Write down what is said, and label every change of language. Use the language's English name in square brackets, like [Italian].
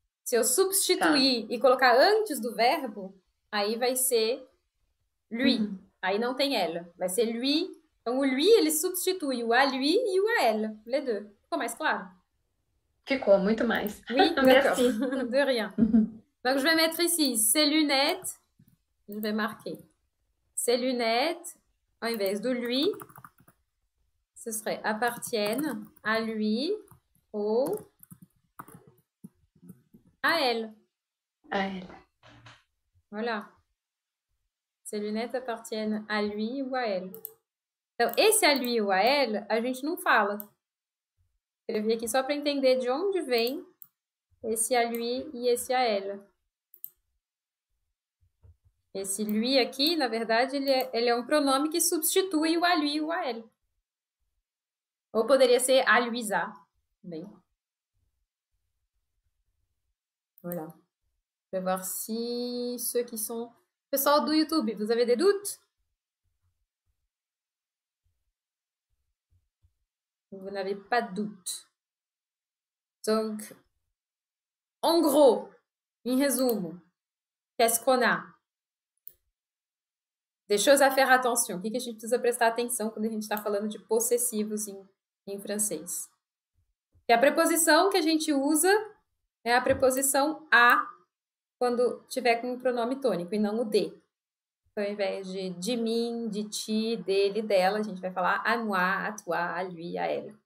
[Portuguese] Se eu substituir tá. E colocar antes do verbo, aí vai ser lui. Uhum. Aí não tem ela, vai ser lui. Então, o lui, ele substitui o a lui e o a ela. [French] Les deux. [Portuguese] Ficou mais claro? Ficou, muito mais. [French] Oui, merci. De rien. Uhum. [Portuguese] Então, eu vou [French] mettre ici, ses lunettes. Je vais marquer ses lunettes, en inverse de lui, ce serait appartiennent à lui ou à elle. À elle. Voilà. Ses lunettes appartiennent à lui ou à elle. Donc, et c'est à lui ou à elle, [Portuguese] a gente não fala. Je viens aqui só para entender de onde vem esse à lui e esse à elle. Esse lui aqui, na verdade, ele é um pronome que substitui o a lui ou a elle. Ou poderia ser a Luisa. Bem. [French] Voilà. Je vais voir si ceux qui sont. [Portuguese] Pessoal do YouTube, [French] vous avez des doutes? Vous n'avez pas de doutes. Donc, en gros, [Portuguese] em resumo, [French] qu'est-ce qu'on a? Des choses à faire attention. [Portuguese] O que a gente precisa prestar atenção quando a gente está falando de possessivos em francês? E a preposição que a gente usa é a preposição a quando tiver com um pronome tônico e não o de. Então, ao invés de mim, de ti, dele, dela, a gente vai falar à moi, à toi, à lui, à elle.